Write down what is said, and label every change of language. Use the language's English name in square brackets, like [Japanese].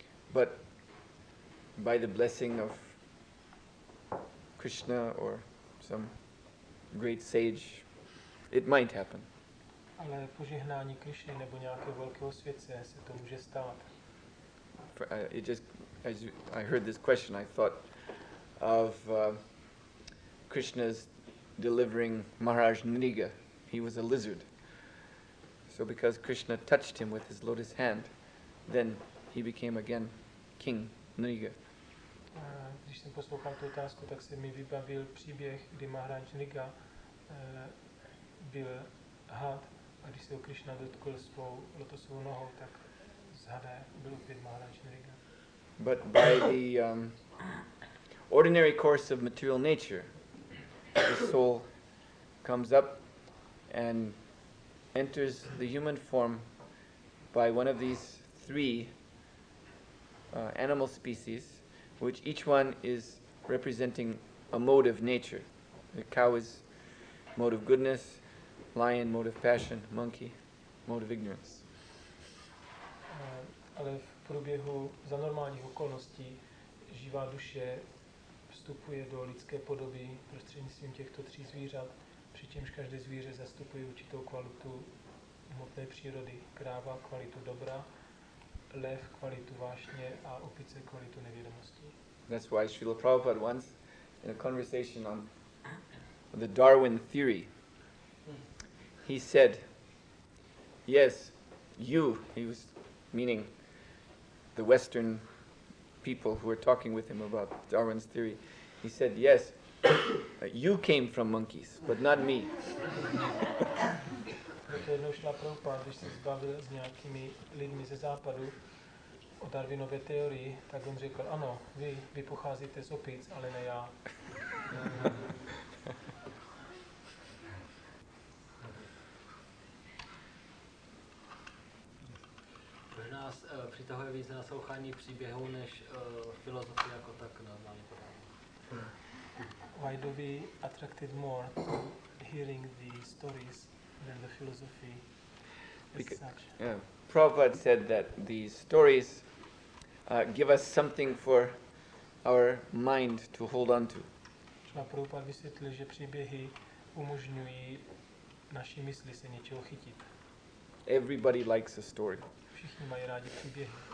[English] But by the blessing of Krishna or some great sage, it might happen. [Czech] Ale požehnání Krishny nebo nějakého velkého světce se to může stát. [English] It just, as I heard this question, I thought of Krishna's delivering Maharaj Nidiga. He was a lizard. So because Krishna touched him with his lotus hand, then he became again King Nriga. [Czech] Když jsem poslouchal tu otázku, tak se mi vybavil příběh, kdy Maharaj Nriga byl had, a když se ho Krishna dotkl svou lotosovou nohou, tak z hada byl opět Maharaj Nriga. [English] But by the ordinary course of material nature, the soul comes up and enters the human form by one of these three animal species, which each one is representing a mode of nature. The cow is mode of goodness, lion mode of passion, monkey mode of ignorance. [Czech] Ale v průběhu za normálních okolností živá duše vstupuje do lidské podoby prostřednictvím těchto tří zvířat, přičemž každé zvíře zastupuje určitou kvalitu hmotné přírody, kráva kvalitu dobra, lev kvalitu vášně a opice kvalitu nevědomosti. [English] That's why Srila Prabhupada once, in a conversation on the Darwin theory, he said, yes, you, he was meaning the Western people who were talking with him about Darwin's theory, he said, yes, you came from monkeys, but not me. [Czech] Proto jednou šla Prabhupada, když se zbavil s nějakými lidmi ze západu o Darwinově teorii, tak on řekl, ano, vy pocházíte z opic, ale ne já. Proč nás přitahuje víc na slouchání příběhů, než filozofie jako tak normálně podávání? [English] Why do we attracted more to hearing the stories than the philosophy as because, such? Yeah, Prabhupada said that these stories give us something for our mind to hold on to. [Czech] Prabhupada vysvětlil, že příběhy umožňují naší mysli se něčeho chytit. [English] Everybody likes a story. [Czech] Všichni mají rádi příběhy.